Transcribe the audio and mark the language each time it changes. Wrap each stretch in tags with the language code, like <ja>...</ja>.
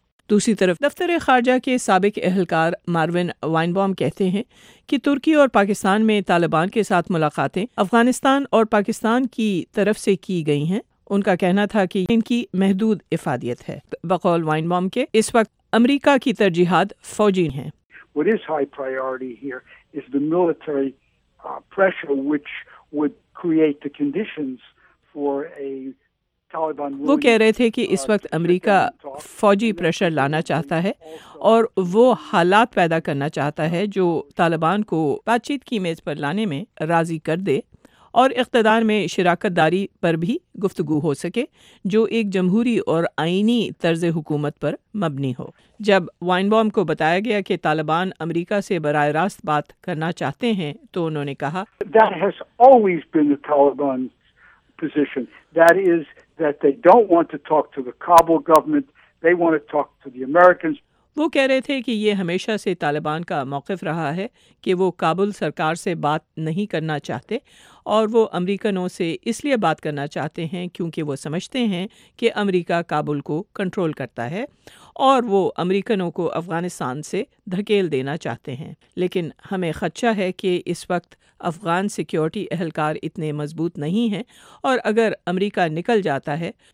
<ur>دوسری طرف دفتر خارجہ کے سابق اہلکار ماروین وائنبوم کہتے ہیں کہ ترکی اور پاکستان میں طالبان کے ساتھ ملاقاتیں افغانستان اور پاکستان کی طرف سے کی گئی ہیں۔ ان کا کہنا تھا کہ ان کی محدود افادیت ہے۔ بقول وائنبوم کے، اس وقت امریکہ کی ترجیحات فوجی ہیں۔</ur> <en>What is high priority here is the military pressure which would create the conditions for a Taliban rule.</en> <ur>وہ کہہ رہے تھے کہ اس وقت امریکہ فوجی پریشر لانا چاہتا ہے اور وہ حالات پیدا کرنا چاہتا ہے جو طالبان کو بات چیت کی میز پر لانے میں راضی کر دے اور اقتدار میں شراکت داری پر بھی گفتگو ہو سکے، جو ایک جمہوری اور آئینی طرز حکومت پر مبنی ہو۔ جب وائنبوم کو بتایا گیا کہ طالبان امریکہ سے براہ راست بات کرنا چاہتے ہیں تو انہوں نے کہا،</ur> <en>That has always been the Taliban's position. That is that they don't want to talk to the Kabul government, they want to talk to the Americans.</en> <ur>وہ کہہ رہے تھے کہ یہ ہمیشہ سے طالبان کا موقف رہا ہے کہ وہ کابل سرکار سے بات نہیں کرنا چاہتے، اور وہ امریکنوں سے اس لیے بات کرنا چاہتے ہیں کیونکہ وہ سمجھتے ہیں کہ امریکہ کابل کو کنٹرول کرتا ہے اور وہ امریکنوں کو افغانستان سے دھکیل دینا چاہتے ہیں، لیکن ہمیں خدشہ ہے کہ اس وقت افغان سیکیورٹی اہلکار اتنے مضبوط نہیں ہیں، اور اگر امریکہ نکل جاتا ہے</ur>